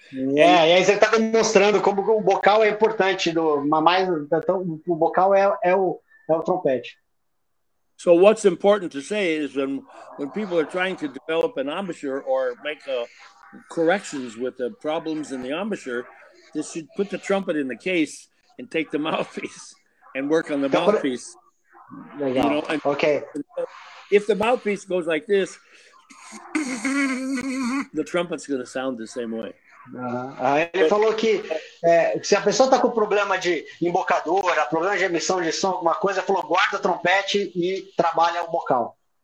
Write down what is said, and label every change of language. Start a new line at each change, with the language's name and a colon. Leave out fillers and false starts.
Portuguese: Yeah, e aí você está demonstrando como o bocal é importante do, mas então o bocal é o trompete.
English: So what's important to say is when people are trying to develop an embouchure or make corrections with the problems in the embouchure, they should put the trumpet in the case and take the mouthpiece and work on the mouthpiece.
Portuguese: Legal.
English: You know, and, okay. If the mouthpiece goes like this, the trumpet's going to sound the same way.
Portuguese: Ele falou que se a pessoa está com problema de embocadura, problema de emissão de som, alguma coisa, falou, guarda o trompete e trabalha o vocal.